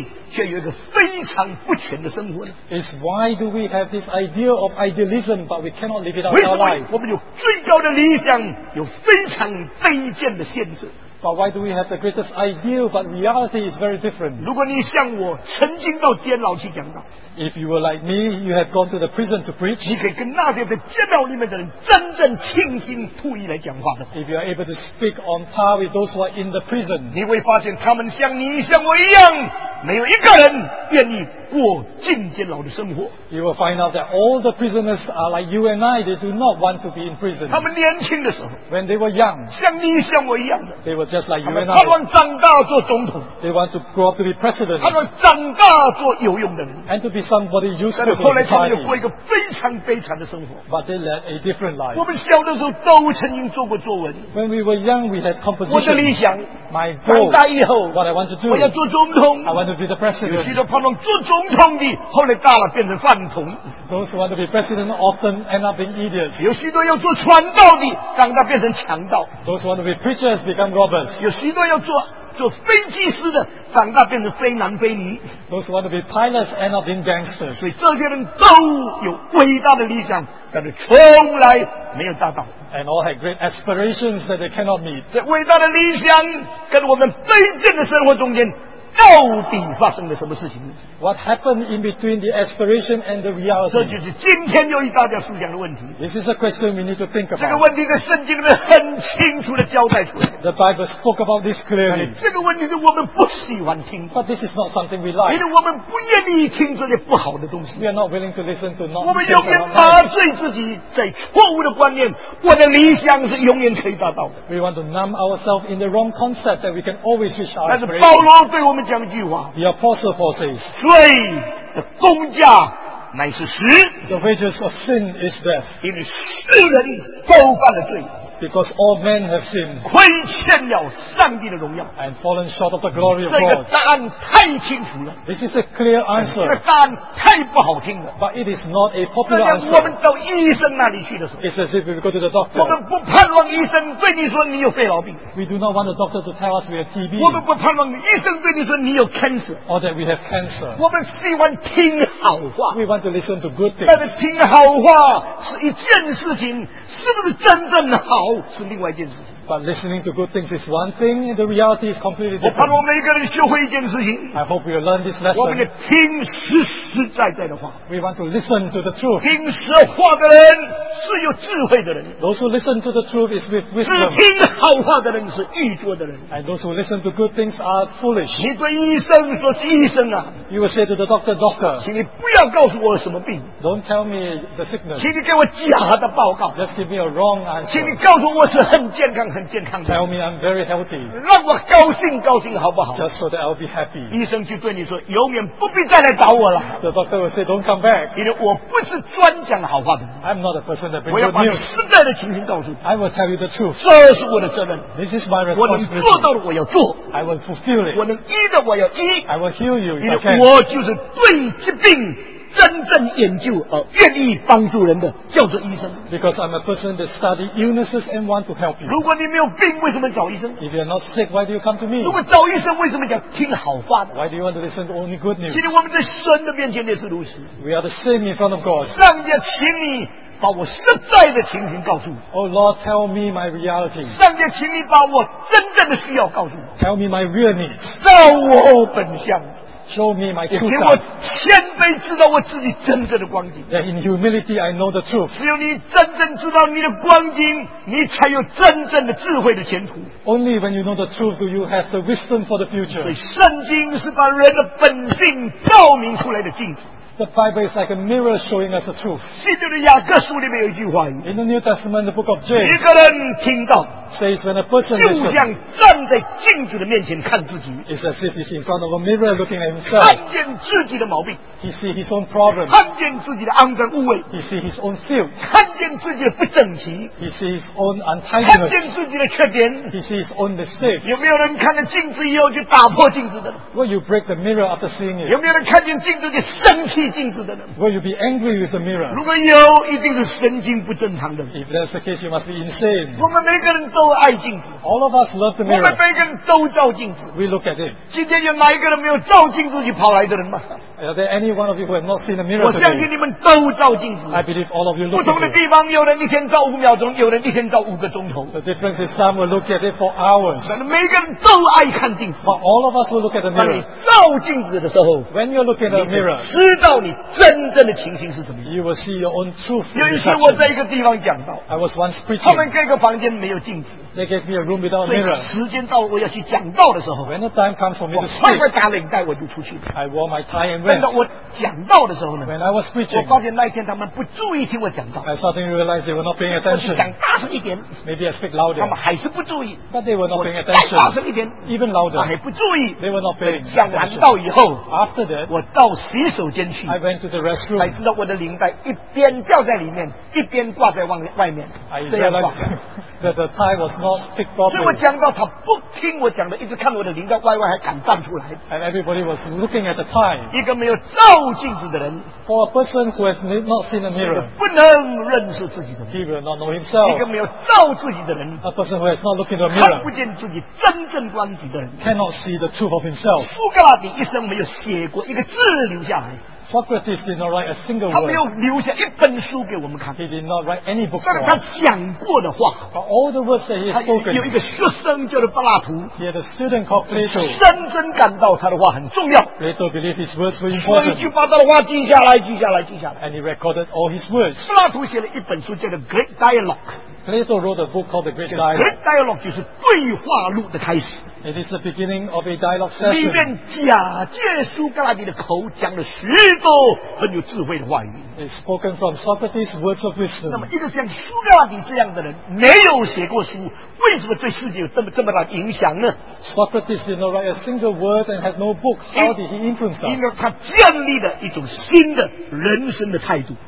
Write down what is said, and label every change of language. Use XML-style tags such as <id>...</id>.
<zh>就是为什么我们有求全的心理，却有一个非常不</zh> <en>Is why do we have this idea of idealism, but we cannot live it out our life?</en> <zh>我们有最高的理想，有非常卑贱的限制。</zh> <en>But why do we have the greatest ideal, but reality is very different?</en> <zh>如果你像我，曾经到监牢去讲道。</zh> <en>If you were like me, you have gone to the prison to preach.</en> <zh>你可以跟那些在监牢里面的人真正倾心吐意来讲话的。</zh> <en>If you are able to speak on par with those who are in the prison,</en> <zh>你会发现他们像你像我一样。没有一个人愿意过进监牢的生活。</zh> <en>You will find out that all the prisoners are like you and I. They do not want to be in prison.</en> <zh>他们年轻的时候,</zh> <en>when they were young,</en> <zh>像你像我一样的,</zh> <en>they were just like you and I.</en> <zh>他们盼望长大做总统,</zh> <en>they want to grow up to be president.</en> <zh>他们长大做有用的人,</zh> <en>and to be somebody useful.</en> <zh>后来他们又过一个非常悲惨的生活。</zh> <en>But they led a different life.</en> <zh>我们小的时候都曾经做过作文。</zh> <en>When we were young, we had composition.</en> <zh>我的理想,</zh> <en>my goal,</en> <zh>长大以后,</zh> <en>what I want to do,</en> <zh>我要做总统,</zh> <en>I want to be the president.</en> <zh>有许多盼望做总统的, 后来大了变成饭桶。</zh> <en>Those who want to be president often end up being idiots.</en> <zh>有许多要做传道的, 长大变成强盗。</zh> <en>Those who want to be preachers become robbers.</en> <zh>有许多要做飞机师的, 长大变成非男非女。</zh> <en>Those who want to be pilots end up being gangsters.</en> <zh>所以这些人都有伟大的理想, 但是从来没有达到。</zh> <en>And all had great aspirations that they cannot meet.</en> <zh>这伟大的理想跟我们卑贱的生活中间, 到底发生了什么事情。</zh> <en>What happened in between the aspiration and the reality?</en> <zh>这就是今天又一大家思想的问题。</zh> <en>This is a question we need to think about.</en> <zh>这个问题在圣经里面很清楚地交代出来。</zh> <en>The Bible spoke about this clearly.</en> <zh>这个问题是我们不喜欢听。</zh> <en>But this is not something we like.</en> <zh>因为我们不愿意听这些不好的东西。</zh> <en>We are not willing to listen to not.</en> <zh>我们永远麻醉自己在错误的观念，我的理想是永远可以达到的。</zh> <en>We want to numb ourselves in the wrong concept that we can always reach our aspiration.</en> <zh>但是保罗对我们讲一句话。</zh> <en>The Apostle Paul says.</en> <zh>罪的工价乃是死。</zh> <en>The wages of sin is death.</en> <zh>因为世人都犯了罪。</zh> <en>Because all men have sinned.</en> <zh>亏欠了上帝的荣耀。</zh> <en>And fallen short of the glory of God.</en> <zh>这个答案太清楚了。</zh> <en>This is a clear answer.</en> <zh>这个答案太不好听了。</zh> <en>But it is not a popular answer.</en> <zh>这样我们到医生那里去的时候。</zh> <en>It's as if we go to the doctor.</en> <zh>我们不盼望医生对你说你有肺痨病。</zh> <en>We do not want the doctor to tell us we have TB.</en> <zh>我们不盼望医生对你说你有 cancer.</zh> <en>Or that we have cancer.</en> <zh>我们希望听好话。</zh> <en>We want to listen to good things.</en> <zh>但是听好话是一件事情，是不是真正好？</zh> <en>But listening to good things is one thing, the reality is completely different.</en> <zh>我盼望每个人学会一件事情。</zh> <en>I hope you learn this lesson.</en> <zh>我们要听实实在在的话。</zh> <en>We want to listen to the truth.</en> <zh>听实话的人是有智慧的人。</zh> <en>Those who listen to the truth is with wisdom.</en> <zh>只听好话的人是愚拙的人。</zh> <en>And those who listen to good things are foolish.</en> <zh>你对医生说医生啊。</zh> <en>You will say to the doctor, doctor.</en> <zh>请你不要告诉我什么病。</zh> <en>Don't tell me the sickness.</en> <zh>请你给我假的报告。</zh> <en>Just give me a wrong answer.</en> <zh>请你告诉我是很健康很健康的。</zh> <en>Tell me I'm very healthy.</en> <zh>让我高兴高兴好不好。</zh> <en>Just so that I'll be happy.</en> <zh>医生就对你说永远不必再来找我了。</zh> <en>The doctor will say, don't come back.</en> <zh>因为我不是专讲好话的。</zh> <en>I'm not a person.</en> <zh>我要把实在的情形告诉你。</zh> <en>I will tell you the truth.</en> <zh>这是我的责任。</zh> <en>This is my responsibility.</en> <zh>我能做到的我要做。</zh> <en>I will fulfill it.</en> <zh>我能医的我要医。</zh> <en>I will heal you.</en> <zh>因为我就是对疾病真正研究而愿意帮助人的叫做医生。</zh> <en>Because I'm a person that study illnesses and want to help you.</en> <zh>如果你没有病，为什么找医生</zh> <en>？If you're not sick, why do you come to me?</en> <zh>如果找医生，为什么要听好话</zh> <en>？Why do you want to listen to only good news?</en> <zh>其实我们在神的面前也是如此。</zh> <en>We are the same in front of God.</en> <zh>上帝，请你。把我实在的情形告诉我。</zh> <en>Oh Lord, tell me my reality.</en> <zh>上帝，请你把我真正的需要告诉我。</zh> <en>Tell me my real needs.</en> <zh>照我本相。</zh> <en>Show me my true self.</en> <zh>给我谦卑，知道我自己真正的光景。</zh> <en>That in humility, I know the truth.</en> <zh>只有你真正知道你的光景，你才有真正的智慧的前途。</zh> <en>Only when you know the truth, do you have the wisdom for the future.</en> <zh>所以圣经是把人的本性照明出来的镜子。</zh> <en>The Bible is like a mirror showing us the truth.</en> <zh>新约的雅各书里面有一句话语。</zh> <en>In the New Testament, the book of James.</en> <zh>一个人听到。</zh> <en>Says when a person</en> <zh>就像站在镜子的面前看自己。</zh> <en>It's as if he's in front of a mirror looking at himself.</en> <zh>看见自己的毛病。</zh> <en>He sees his own problem.</en> <zh>看见自己的肮脏污秽。</zh> <en>He sees his own filth.</en> <zh>看见自己的不整齐。</zh> <en>He sees his own untidiness.</en> <zh>看见自己的缺点。</zh> <en>He sees his own mistakes.</en> <zh>有没有人看了镜子以后就打破镜子的？</zh> <en>Will you break the mirror after seeing it?</en> <zh>有没有人看见镜子就生气？镜子的人</zh> <en>Will you be angry with the mirror?</en> <zh>如果有，一定是神经不正常的。</zh> <en>If that's the case, you must be insane.</en> <zh>我们每个人都爱镜子。</zh> <en>All of us love the mirror.</en> <zh>我们每个人都照镜子。</zh> <en>We look at it.</en> <zh>今天有哪一个人没有照镜子就跑来的人吗？</zh> <en>Are there any one of you who have not seen the mirror?</en> <zh>我相信你们都照镜子。</zh> <en>I believe all of you look.</en> <zh>不同的地方，有人一天照五秒钟，有人一天照五个钟头。</zh> <en>The difference is some will look at it for hours.</en> <zh>但每个人都爱看镜子。</zh> <en>But all of us will look at the mirror.</en> <zh>当你照镜子的时候</zh> <en>，When you're looking at the mirror,</en> <zh>知道。你真正的情形是什么？</zh> <en>You will see your own truth.</en> <zh>有一次我在一个地方讲到，</zh> <en>I was once preaching.</en> <zh>他们给一个房间没有镜子。</zh> <en>They gave me a room without a mirror.</en> <zh>时间到我要去讲道的时候，</zh> <en>When the time comes for me to speak,</en> <zh>我快快打领带我就出去。</zh> <en>I wore my tie and went.</en> <zh>等到我讲道的时候呢，</zh> <en>When I was preaching,</en> <zh>我发现那一天他们不注意听我讲道。</zh> <en>I suddenly realized they were not paying attention.</en> <zh>讲大声一点，</zh> <en>Maybe I speak louder.</en> <zh>他们还是不注意。</zh> <en>But they were not paying attention.</en> <zh>再大声一点，</zh> <en>Even louder.</en> <zh>还不注意。</zh> <en>They were not paying attention.</en> <zh>讲完道以后，</zh> <en>After that,</en> <zh>我到洗手间去。</zh> <en>I went to the restroom.</en> <zh>才知道我的领带一边掉在里面，一边挂在外面。</zh> <en>I realized that the tie was not fit properly.</en> <zh>所以我讲到他不听我讲的，一直看我的领带歪歪，还敢站出来。</zh> <en>And everybody was looking at the tie.</en> <zh>一个没有照镜子的人</zh> <en>，For a person who has not seen a mirror,</en> <zh>不能认识自己的。</zh> <en>He will not know himself.</en> <zh>一个没有照自己的人</zh> <en>，A person who has not looked into a mirror,</en> <zh>看不见自己真正光景的人</zh> <en>，Cannot see the truth of himself.</en> <zh>苏格拉底一生没有写过一个字留下来。</zh> <en>Socrates did not write a single word.</en> <zh>他没有留下一本书给我们看。</zh> <en>He did not write any book.</en> <zh>但是他讲过的话。</zh> <en>But all the words that he has spoken.</en> <zh>有一个学生叫做柏拉图。</zh> <en>He had a student called Plato.</en> <zh>深深感到他的话很重要。</zh> <en>Plato believed his words were important.</en> <zh>所以就把他的话记下来，记下来，记下来。</zh> <en>And he recorded all his words.</en> <zh>柏拉图写了一本书叫做《Great Dialogue》。</zh> <en>Plato wrote a book called The Great Dialogue.</en> <zh>Great Dialogue 就是对话录的开始。</zh> <en>It is the beginning of a dialogue session.</en> <zh>里面假借苏格拉底的口讲了许多很有智慧的话语。</zh> <en>It's spoken from Socrates' words of wisdom.</en> <zh>那么一个像苏格拉底这样的人没有写过书，为什么对世界有这么大的影响呢？</zh> <en>Socrates did not write a single word and had no book. How did he influence us?</en> <zh>因为他建立了一种新的人生的态度。</zh>